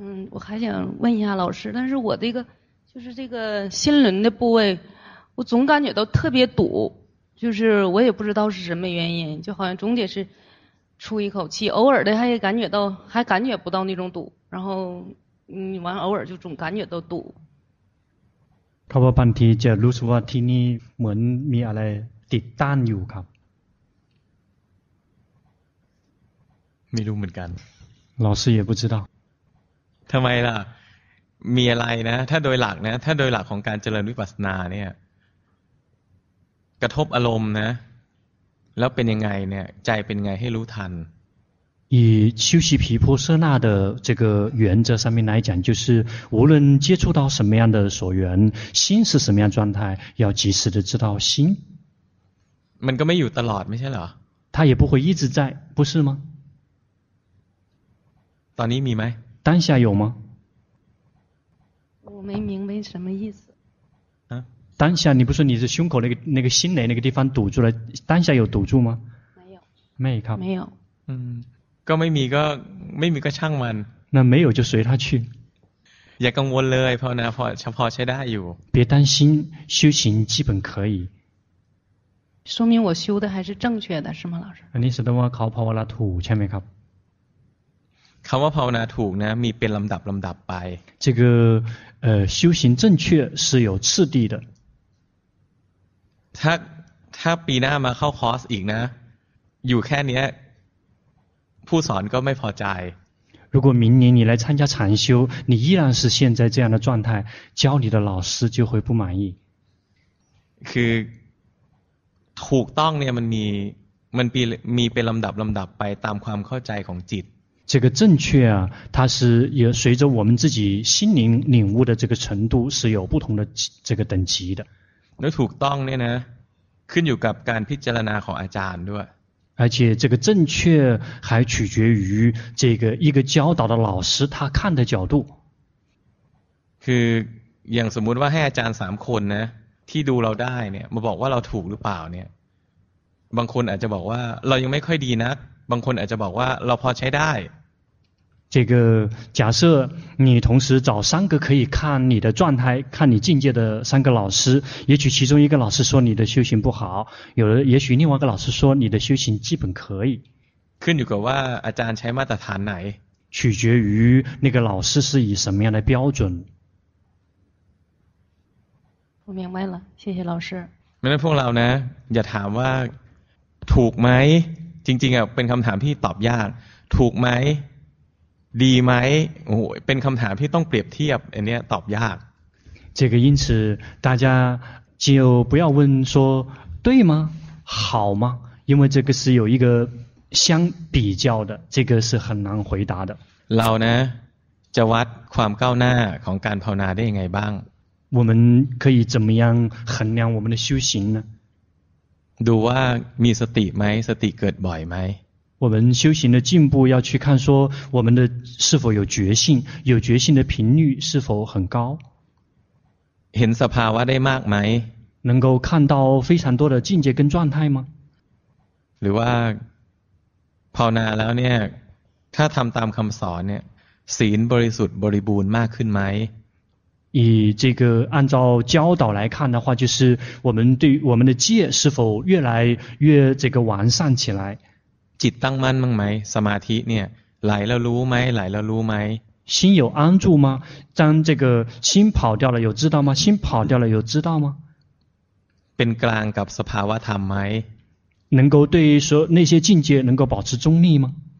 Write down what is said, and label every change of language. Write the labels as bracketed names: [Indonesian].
[Chinese] 我还想问一下老师但是我这个就是这个心轮的部位我总感觉到特别堵就是我也不知道是什么原因就好像总得是出一口气偶尔的还感觉不到那种堵然后完偶尔就总感觉到堵 [Thai] เขาบอกบางทีจะรู้สึกว่าที่นี่เหมือนมีอะไรติดตั้งอยู่ครับ ไม่รู้เหมือนกัน [Chinese] 老师也不知道 [Thai] ทำไมล่ะมีอะไรนะถ้าโดยหลักนะถ้าโดยหลักของการเจริญวิปัสสนาเนี่ยกระทบอารมณ์นะแล้วเป็นยังไงเนี่ยใจเป็นยังไงให้รู้ทัน [Chinese] 以修习毗婆舍那的这个原则上面来讲就是无论接触到什么样的所缘心是什么样状态要及时的知道心 [Thai] มันก็ไม่อยู่ตลอดไม่ใช่เหรอ [Chinese] 它也不会一直在不是吗 [Thai] ตอนนี้มีไหม [Chinese] 当下有吗我没明白什么意思 [Thai] ต [Chinese] 当下你不是你的胸口那个心雷那个地方堵住了，当下有堵住吗？没有，没有，没有。 [Thai] 嗯，ก็ไม่มีก็ไม่มีก็ช่างมัน [Chinese] 那没有就随他去。 [Thai] อย่ากังวลเลยเพราะนะพอเฉพาะใช้ได้อยู่ [Chinese] 别担心，修行基本可以。说明我修的还是正确的，是吗，老师？ [Thai] นี่แสดงว่าเขาภาวนาถูกใช่ไหมครับ คำว่าภาวนาถูกนะมีเป็นลำดับลำดับไป [Chinese] 这个修行正确是有次第的 [Thai] ถ้าปีหน้ามาเข้าคอร์สอีกนะอยู่แค่นี้ผู้สอนก็ไม่พอใจ [Chinese] 如果明年你来参加禅修你依然是现在这样的状态教你的老师就会不满意 [Thai] คือถูกต้องเนี่ยมันมีเป็นลำดับไปตามความเข้าใจของจิต [Chinese] 这个正确啊它是也随着我们自己心灵领悟的这个程度是有不同的这个等级的 [Thai] แล้วถูกต้องเนี่ยนะขึ้นอยู่กับการพิจารณาของอาจารย์ด้วย [Chinese] 而且这个正确还取决于这个一个教导的老师他看的角度 [Thai] คืออย่างสมมุติว่าให้อาจารย์3คนนะที่ดูเราได้เนี่ยมาบอกว่าเราถูกหรือเปล่าเนี่ยบางคนอาจจะบอกว่าเรายังไม่ค่อยดีนักบางคนอาจจะบอกว่าเราพอใช้ได้ [Chinese] 这个假设你同时找三个可以看你的状态看你境界的三个老师也许其中一个老师说你的修行不好有的也许另外一个老师说你的修行基本可以 [Thai] ขึ้นอยู่กับว่าอาจารย์ใช้มาตรฐานไหน [Chinese] 取决于那个老师是以什么样的标准我明白了谢谢老师 [Thai] ไม่ต้องพวกเรานะอย่าถามว่าถูกไหมจริงๆอ่ะเป็นคำถามที่ตอบยากถูกไหมดีไหมโอ้โหเป็นคำถามที่ต้องเปรียบเทียบอันนี้ตอบยาก [Chinese] 这个因此大家就不要问说对吗好吗因为这个是有一个相比较的这个是很难回答的 [Thai] เรานะจะวัดความก้าวหน้าของการภาวนาได้ยังไงบ้าง [Chinese] 我们可以怎么样衡量我们的修行呢 [Thai] ดูว่ามีสติไหมสติเกิดบ่อยไหม [Chinese] 我们修行的进步要去看说我们的是否有觉性有觉性的频率是否很高 [Thai] เห็นสภาวะได้มากไหม [Chinese] 能够看到非常多的境界跟状态吗 [Thai] หรือว่าภาวนาแล้วเนี่ยถ้าทำตามคำสอนเนี่ยศีลบริสุทธิ์บริบูรณ์มากขึ้นไหม [Chinese] 以这个按照教导来看的话就是我们对我们的戒是否越来越这个完善起来 [Thai] จิตตั้งมั่นมั้งไหมสมาธิเนี่ยไหลแล้วรู้ไหมไหลแล้วรู้ไหม [Chinese] 心有安住吗当这个心跑掉了有知道吗心跑掉了有知道吗 [Thai] เป็นกลางกับสภาวะธรรมไหม [Chinese] 能够对于说那些境界能够保持中立吗